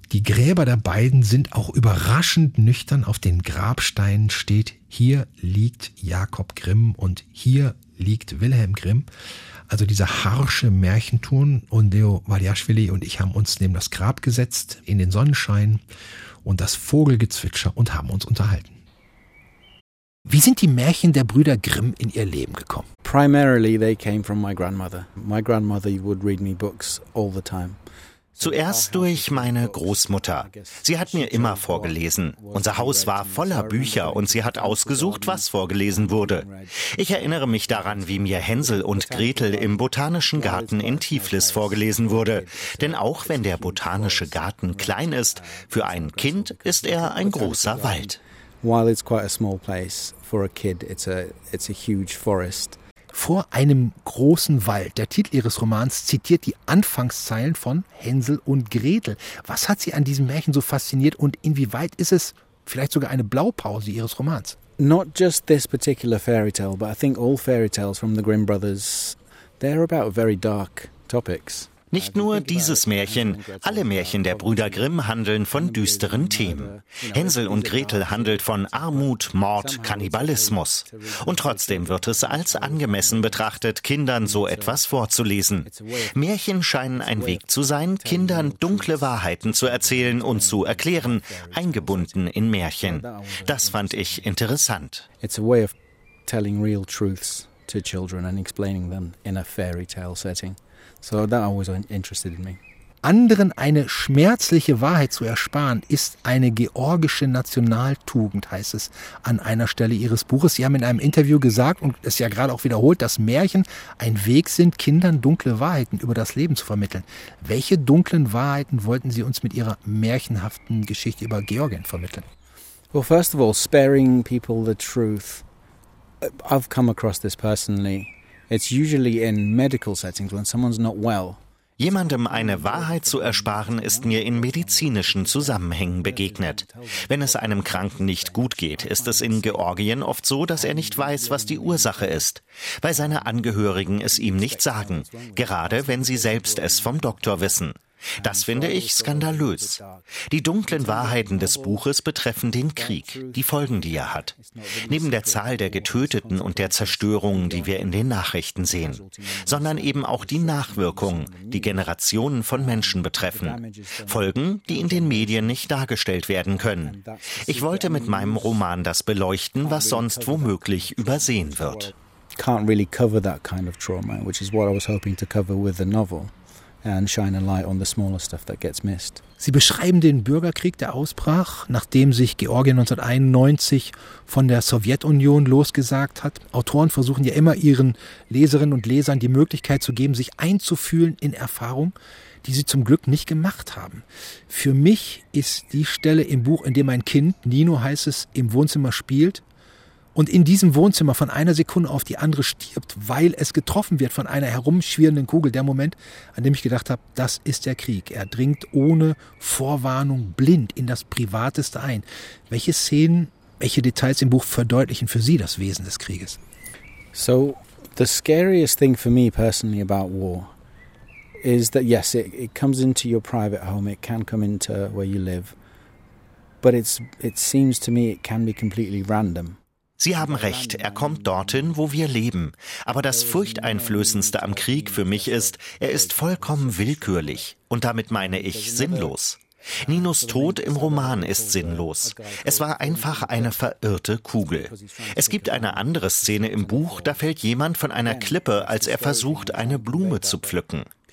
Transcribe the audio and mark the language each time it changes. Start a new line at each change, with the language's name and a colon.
German: Die Gräber der beiden sind auch überraschend nüchtern. Auf den Grabsteinen steht, hier liegt Jakob Grimm und hier liegt Wilhelm Grimm. Also dieser harsche Märchenturn. Und Leo Vardiashvili und ich haben uns neben das Grab gesetzt, in den Sonnenschein und das Vogelgezwitscher und haben uns unterhalten. Wie sind die Märchen der Brüder Grimm in ihr Leben gekommen?
English: Primarily they came from my grandmother. My grandmother would read me books all the time.
German: Zuerst durch meine Großmutter. Sie hat mir immer vorgelesen. Unser Haus war voller Bücher und sie hat ausgesucht, was vorgelesen wurde. Ich erinnere mich daran, wie mir Hänsel und Gretel im Botanischen Garten in Tiflis vorgelesen wurde. Denn auch wenn der Botanische Garten klein ist, für ein Kind ist er ein großer Wald.
English: While it's quite a small place for a kid, it's a huge forest.
German: vor einem großen Wald. Der Titel ihres Romans zitiert die Anfangszeilen von Hänsel und Gretel. Was hat sie an diesem Märchen so fasziniert und inwieweit ist es vielleicht sogar eine Blaupause ihres Romans?
English: Not just this particular fairy tale, but I think all fairy tales from the Grimm brothers, they're about very dark topics.
German: Nicht nur dieses Märchen, alle Märchen der Brüder Grimm handeln von düsteren Themen. Hänsel und Gretel handelt von Armut, Mord, Kannibalismus. Und trotzdem wird es als angemessen betrachtet, Kindern so etwas vorzulesen. Märchen scheinen ein Weg zu sein, Kindern dunkle Wahrheiten zu erzählen und zu erklären, eingebunden in Märchen. Das fand ich interessant.
English: It's a way of telling real truths to children and explaining them in a fairy tale setting. So that always interested me.
German: Anderen eine schmerzliche Wahrheit zu ersparen, ist eine georgische Nationaltugend, heißt es an einer Stelle Ihres Buches. Sie haben in einem Interview gesagt und es ja gerade auch wiederholt, dass Märchen ein Weg sind, Kindern dunkle Wahrheiten über das Leben zu vermitteln. Welche dunklen Wahrheiten wollten Sie uns mit Ihrer märchenhaften Geschichte über Georgien vermitteln?
English: Well, first of all, sparing people the truth. I've come across this personally. It's usually in medical settings when someone's not well.
German: Jemandem eine Wahrheit zu ersparen, ist mir in medizinischen Zusammenhängen begegnet. Wenn es einem Kranken nicht gut geht, ist es in Georgien oft so, dass er nicht weiß, was die Ursache ist, weil seine Angehörigen es ihm nicht sagen, gerade wenn sie selbst es vom Doktor wissen. Das finde ich skandalös. Die dunklen Wahrheiten des Buches betreffen den Krieg, die Folgen, die er hat. Neben der Zahl der Getöteten und der Zerstörungen, die wir in den Nachrichten sehen. Sondern eben auch die Nachwirkungen, die Generationen von Menschen betreffen. Folgen, die in den Medien nicht dargestellt werden können. Ich wollte mit meinem Roman das beleuchten, was sonst womöglich übersehen wird.
English: Can't really cover that kind of trauma, which is what I was hoping to cover with the novel. And shine a light on the smaller stuff that gets missed.
German: Sie beschreiben den Bürgerkrieg, der ausbrach, nachdem sich Georgien 1991 von der Sowjetunion losgesagt hat. Autoren versuchen ja immer, ihren Leserinnen und Lesern die Möglichkeit zu geben, sich einzufühlen in Erfahrungen, die sie zum Glück nicht gemacht haben. Für mich ist die Stelle im Buch, in dem ein Kind, Nino heißt es, im Wohnzimmer spielt und in diesem Wohnzimmer von einer Sekunde auf die andere stirbt, weil es getroffen wird von einer herumschwirrenden Kugel. Der Moment, an dem ich gedacht habe, das ist der Krieg. Er dringt ohne Vorwarnung blind in das Privateste ein. Welche Szenen, welche Details im Buch verdeutlichen für Sie das Wesen des Krieges?
English: So, the scariest thing for me personally about war is that yes, it comes into your private home, it can come into where you live, but it seems to me it can be completely random.
German: Sie haben recht, er kommt dorthin, wo wir leben. Aber das Furchteinflößendste am Krieg für mich ist, er ist vollkommen willkürlich. Und damit meine ich sinnlos. Ninos Tod im Roman ist sinnlos. Es war einfach eine verirrte Kugel. Es gibt eine andere Szene im Buch, da fällt jemand von einer Klippe, als er versucht, eine Blume zu pflücken.